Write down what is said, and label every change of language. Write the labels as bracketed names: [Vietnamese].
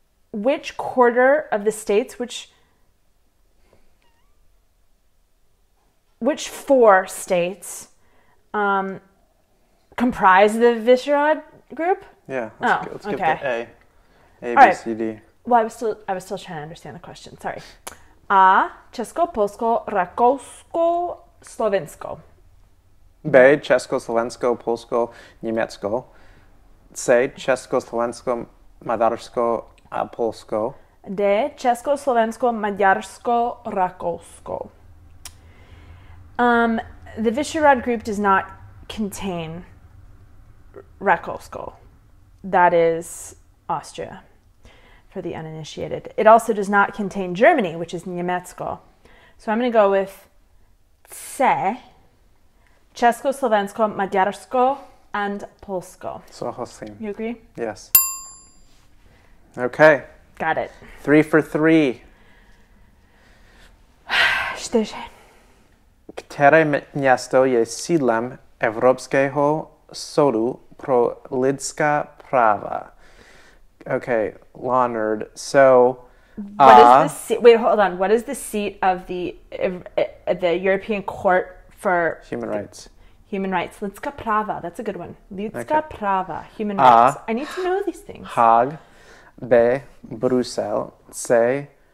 [English] Which quarter of the states, which four states, comprise the Visegrad group? Yeah. Let's give the A. A, all B, right. C, D. Well, I was still trying to understand the question. Sorry. A. [Czech] Česko, Polsko, Rakousko, Slovensko. B. Česko, Slovensko, Polsko, Německo. C. Česko, Slovensko, Maďarsko a Polsko. D. Česko, Slovensko, Maďarsko, Rakousko. [English] The Visegrad group does not contain Rakousko. That is Austria, for the uninitiated. It also does not contain Germany, which is Niemetsko. So I'm going to go with C. Česko, Slovensko, Maďarsko, and Polsko. [Czech] Souhlasím. [English] You agree? Yes. Okay. Got it. 3 for 3. [Czech] Čtyři. Které město je sídlem Evropského soudu pro lidská práva? [English] Okay, law nerd. So, What is the seat of the European Court for Human Rights? Human rights. [Czech] Lidská práva. [English] That's a good one. Lidská práva. Human rights. I need to know these things. Hague. B. Brussels. C.